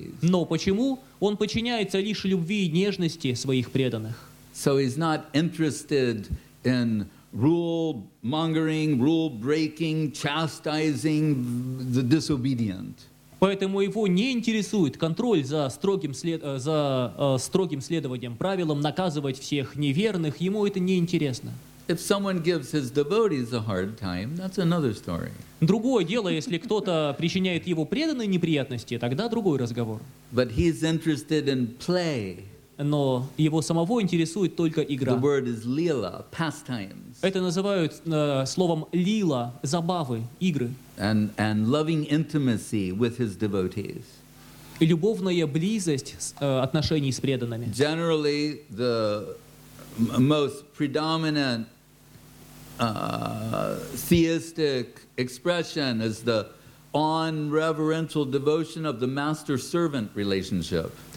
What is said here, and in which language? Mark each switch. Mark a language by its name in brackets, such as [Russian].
[Russian] Но почему? Он подчиняется лишь любви и нежности своих преданных. [English] So he's not interested in rule-mongering, rule-breaking, chastising the disobedient. [Russian] Поэтому его не интересует контроль за строгим, строгим следованием правилам, наказывать всех неверных, ему это не интересно. [English] If someone gives his devotees a hard time, that's another story. [Russian] Другое дело, если кто-то причиняет его преданные неприятности, тогда другой разговор. [English] But he's interested in play. [Russian] Но его самого интересует только игра. [English] The word is lila, pastimes. [Russian] Это называют словом лила, забавы, игры. [English] And loving intimacy with his devotees. [Russian] Любовная близость отношений с преданными. [English] Generally, the most predominant theistic expression is the on reverential devotion of the master-servant relationship.